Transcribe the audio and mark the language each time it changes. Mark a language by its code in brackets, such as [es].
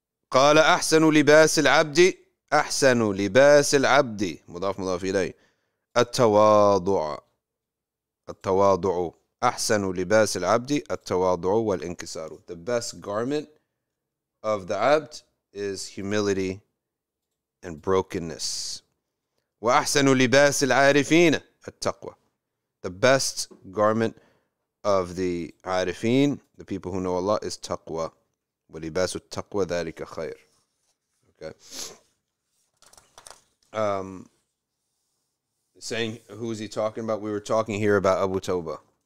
[ar] قال أحسن لباس العبد أحسن لباس العبد مضاف مضاف إليه التواضع التواضع أحسن لباس العبد التواضع والانكسار. [en] The best garment of the abd is humility and brokenness. [ar] وأحسن لباس العارفين التقوى. [en] The best garment of the عارفين, the people who know Allah, is taqwa. [ar] ولباس التقوى ذلك خير. Okay. [en] Saying, who is he talking about? We were talking here about Abu Toba.